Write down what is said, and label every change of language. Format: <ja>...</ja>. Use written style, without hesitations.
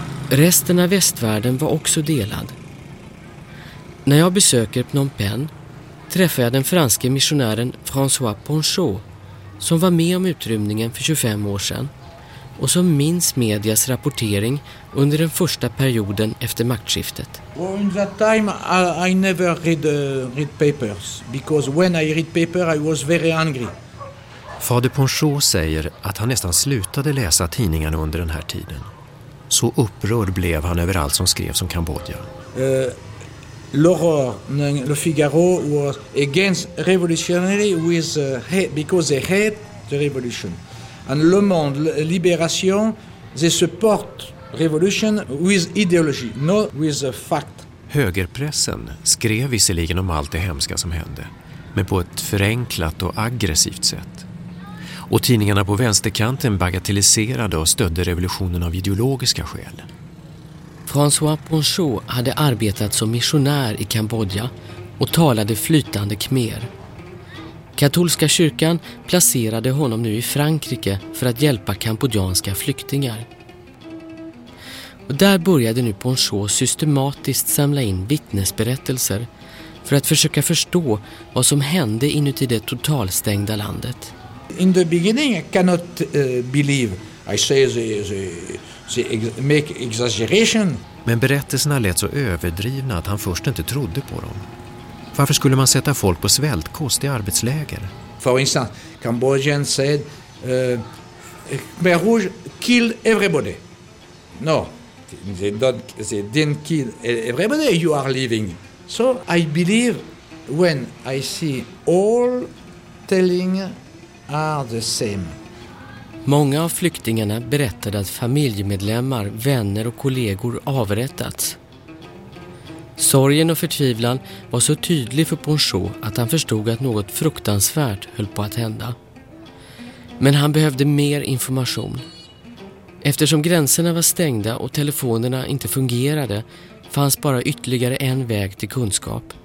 <sv>Resten av västvärlden var också delad. När jag besöker Phnom Penh träffar jag den franske missionären François Ponchot som var med om utrymningen för 25 år sedan och som minns medias rapportering under den första perioden efter maktskiftet.</sv> <en>In that time I never read papers because when I read paper I was very angry.</en> <sv>Fader Ponchot säger att han nästan slutade läsa tidningarna under den här tiden. Så upprörd blev han över allt som skrevs om Kambodja.</sv> <en>L'Aurore, Le Figaro was against revolutionary with hate because they hate the revolution. And Le Monde, Libération, they support revolution with ideology, not with a fact.</en> <sv>Högerpressen skrev visserligen om allt det hemska som hände, men på ett förenklat och aggressivt sätt. Och tidningarna på vänsterkanten bagatelliserade och stödde revolutionen av ideologiska skäl. François Ponchot hade arbetat som missionär i Kambodja och talade flytande khmer. Katolska kyrkan placerade honom nu i Frankrike för att hjälpa kambodjanska flyktingar. Och där började nu Ponchot systematiskt samla in vittnesberättelser för att försöka förstå vad som hände inuti det totalstängda landet.</sv> <en>In the beginning I cannot believe. I say they make exaggeration.</en> <sv>Men berättelserna lät så överdrivna att han först inte trodde på dem. Varför skulle man sätta folk på svältkost i arbetsläger?</sv> <en>For instance, Cambodian said Khmer Rouge killed everybody. No, they didn't kill everybody, you are living. So I believe when I see all telling are the same.</en> <sv>Många av flyktingarna berättade att familjemedlemmar, vänner och kollegor avrättats. Sorgen och förtvivlan var så tydlig för Ponchot att han förstod att något fruktansvärt höll på att hända. Men han behövde mer information. Eftersom gränserna var stängda och telefonerna inte fungerade fanns bara ytterligare en väg till kunskap.</sv>